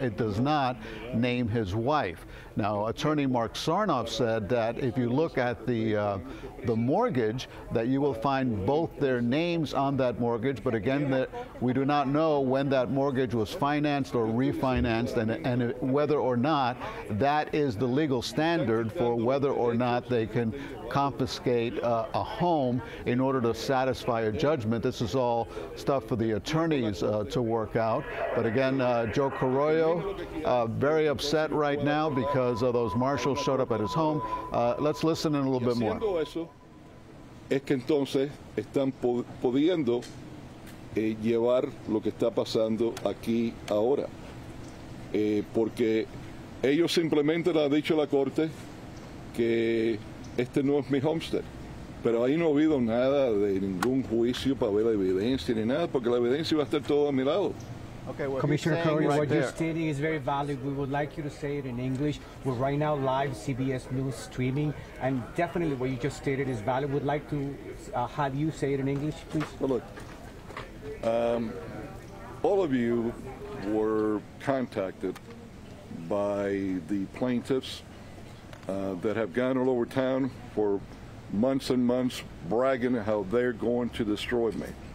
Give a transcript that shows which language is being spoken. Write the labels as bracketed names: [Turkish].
[English] It does not name his wife. Now, attorney Mark Sarnoff said that if you look at the mortgage, that you will find both their names on that mortgage, but again, that we do not know when that mortgage was financed or refinanced, and whether or not that is the legal standard for whether or not they can confiscate a home in order to satisfy a judgment. This is all stuff for the attorneys to work out. But again, Joe Carollo, very upset right now because of those marshals showed up at his home. Let's listen in a little bit more. [Spanish] Es que entonces están pudiendo llevar lo que está pasando aquí ahora. Porque ellos simplemente le han dicho a la corte que este no es mi homestead. Pero ahí no ha habido nada de ningún juicio para ver la evidencia ni nada, porque la evidencia va a estar todo a mi lado. [English] Okay, well, Commissioner Curry, right, what you're stating is very valid. We would like you to say it in English. We're right now live CBS News streaming, and definitely what you just stated is valid. We'd like to have you say it in English, please. Well, look, all of you were contacted by the plaintiffs that have gone all over town for months and months bragging how they're going to destroy me.